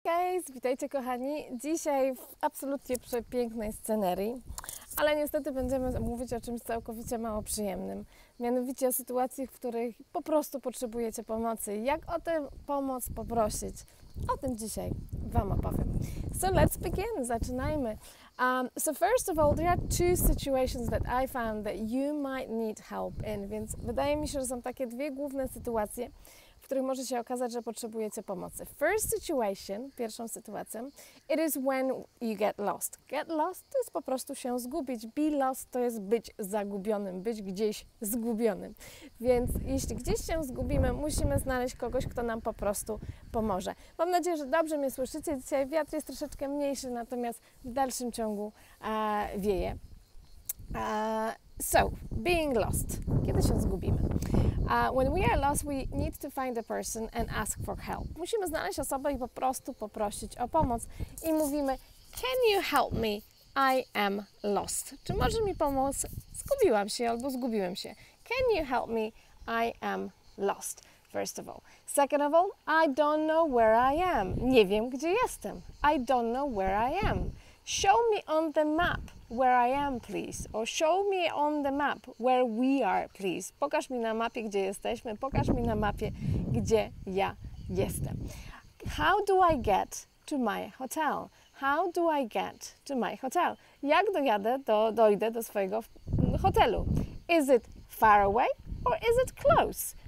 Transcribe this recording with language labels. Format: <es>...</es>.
<pl>cześć, witajcie kochani. Dzisiaj w absolutnie przepięknej scenerii, ale niestety będziemy mówić o czymś całkowicie mało przyjemnym. Mianowicie o sytuacjach, w których po prostu potrzebujecie pomocy. Jak o tę pomoc poprosić? O tym dzisiaj Wam opowiem.</pl> <en>So let's begin,</en> <pl>zaczynajmy.</pl> <en>So first of all, there are two situations that I found that you might need help in.</en> <pl>Więc wydaje mi się, że są takie dwie główne sytuacje, w których może się okazać, że potrzebujecie pomocy.</pl> <en>First situation,</en> <pl>pierwszą sytuacją,</pl> <en>it is when you get lost.</en> <pl>Get lost to jest po prostu się zgubić. Be lost to jest być zagubionym, być gdzieś zgubionym. Więc jeśli gdzieś się zgubimy, musimy znaleźć kogoś, kto nam po prostu pomoże. Mam nadzieję, że dobrze mnie słyszycie. Dzisiaj wiatr jest troszeczkę mniejszy, natomiast w dalszym ciągu wieje.</pl> <en>So, being lost.</en> <pl>Kiedy się zgubimy?</pl> <en>When we are lost, we need to find a person and ask for help.</en> <pl>Musimy znaleźć osobę i po prostu poprosić o pomoc. I mówimy,</pl> <en>can you help me? I am lost.</en> <pl>Czy możesz mi pomóc? Zgubiłam się albo zgubiłem się.</pl> <en>Can you help me? I am lost. First of all. Second of all, I don't know where I am.</en> <pl>Nie wiem, gdzie jestem.</pl> <en>I don't know where I am. Show me on the map where I am, please. Or show me on the map where we are, please.</en> <pl>Pokaż mi na mapie, gdzie jesteśmy. Pokaż mi na mapie, gdzie ja jestem.</pl> <en>How do I get to my hotel? How do I get to my hotel?</en> <pl>Jak dojdę do swojego hotelu?</pl> <en>Is it far away or is it close?</en>